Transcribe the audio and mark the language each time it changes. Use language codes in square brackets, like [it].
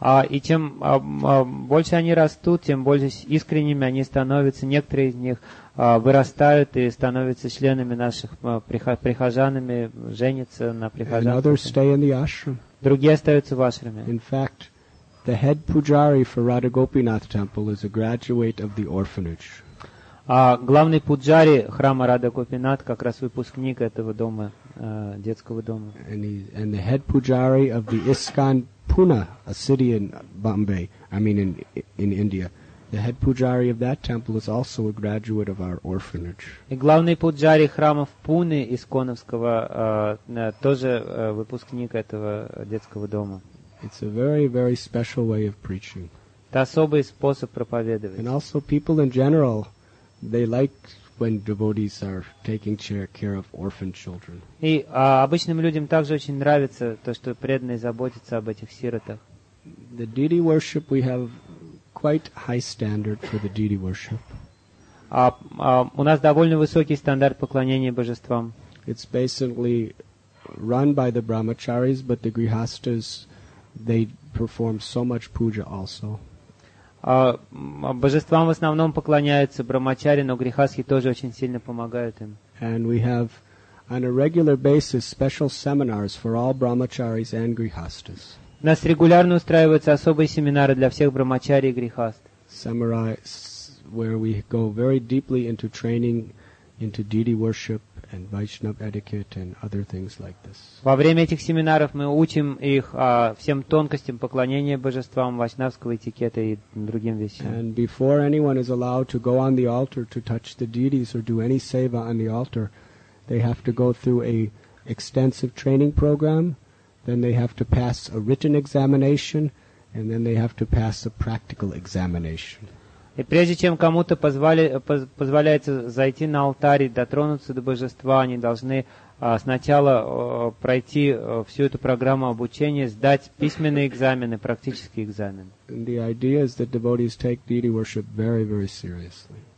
[ru] И чем больше они растут, тем более искренними они становятся. Некоторые из них вырастают и становятся членами наших прихожанами, женятся на прихожанах. [en] Others stay in the ashram. [ru] Другие остаются в ашраме. [en] In fact, The head pujari for Radha Gopinath Temple is a graduate of the orphanage. [ru] А главный пуджари храма Радха Гопинат как раз выпускник этого дома, детского дома. [en] And the head pujari of the ISKCON Pune, a city in Bombay, I mean in India. The head pujari of that temple is also a graduate of our orphanage. [ru] И главный пуджари храма в Пуне ИСККОНовского тоже выпускник этого детского дома. [en] It's a very, very special way of preaching. [ru] Это особый способ проповедовать. [en] And also people in general, they like when devotees are taking care of orphan children. [ru] И обычным людям также очень нравится то, что преданные заботятся об этих сиротах. [en] The deity worship, we have quite high standard for the deity worship. [ru] У нас довольно высокий стандарт поклонения божествам. [en] It's basically run by the brahmacharis, but the grihastas, they perform so much puja also. [ru] Божествам в основном поклоняются брахмачари, но грихасхи тоже очень сильно помогают им. [en] And we have on a regular basis special seminars for all brahmacharis and grihastas. [ru] У нас регулярно устраиваются особые семинары для всех брахмачари и грихаст. [en] Seminars where we go very deeply into training into deity worship and Vaishnava etiquette and other things like this. [ru] Во время этих семинаров мы учим их всем тонкостям поклонения божествам, вайшнавского этикета и другим вещам. [en] And before anyone is allowed to go on the altar to touch the deities or do any seva on the altar, they have to go through a extensive training program, then they have to pass a written examination, and then they have to pass a practical examination. [ru] И прежде чем кому-то позволяется зайти на алтарь и дотронуться до божества, они должны сначала пройти всю эту программу обучения, сдать письменные экзамены, практические экзамены. [en] The idea is that devotees take deity worship very, very seriously.